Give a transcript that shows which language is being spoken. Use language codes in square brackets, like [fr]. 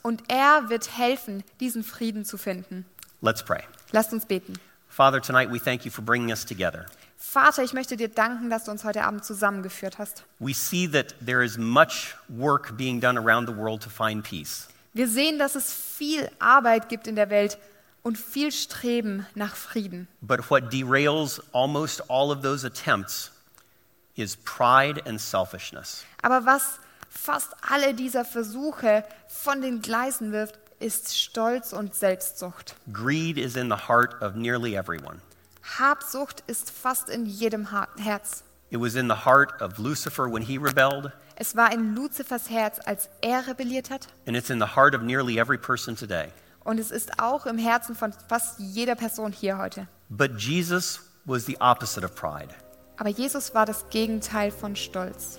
[de] Und wird helfen, diesen Frieden zu finden. [en] Let's pray. [de] Lasst uns beten. [en] Father, tonight we thank you for bringing us together. [de] Vater, ich möchte dir danken, dass du uns heute Abend zusammengeführt hast. [en] We see that there is much work being done around the world to find peace. [de] Wir sehen, dass es viel Arbeit gibt in der Welt und viel Streben nach Frieden. [en] But what derails almost all of those attempts is pride and selfishness. [de] Aber was fast alle dieser Versuche von den Gleisen wirft, ist Stolz und Selbstsucht. [en] Greed is in the heart of nearly everyone. [de] Habsucht ist fast in jedem Herz. [en] It was in the heart of Lucifer when he rebelled. [de] Es war in Luzifers Herz, als rebelliert hat. [en] And it's in the heart of nearly every person today. [de] Und es ist auch im Herzen von fast jeder Person hier heute. [en] But Jesus was the opposite of pride. [de] Aber Jesus war das Gegenteil von Stolz.